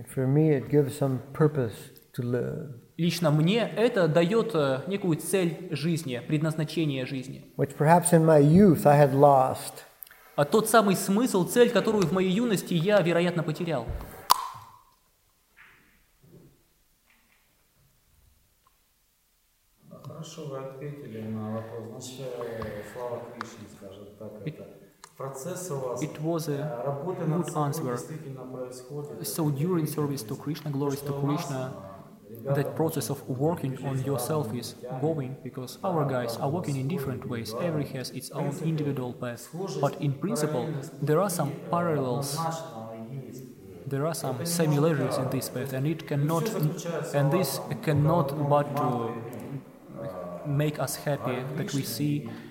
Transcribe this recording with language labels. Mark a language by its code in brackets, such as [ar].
[en] For me, it gives some purpose to live. [ru] Лично мне это дает некую цель жизни, предназначение жизни. [en] Which perhaps in my youth I had lost. [ru] Тот самый смысл, цель, которую в моей юности я, вероятно, потерял. Хорошо, вы ответили на вопрос. Значит, слава Кришне, скажем так, это процесс у вас. [en] It was a [ru] работа [en] good answer. So during service to Krishna, glories to Krishna, that process of working on yourself is going, because our guys are working in different ways, every has its own individual path. But in principle, there are some parallels, there are some similarities in this path, and this cannot but to make us happy that we see.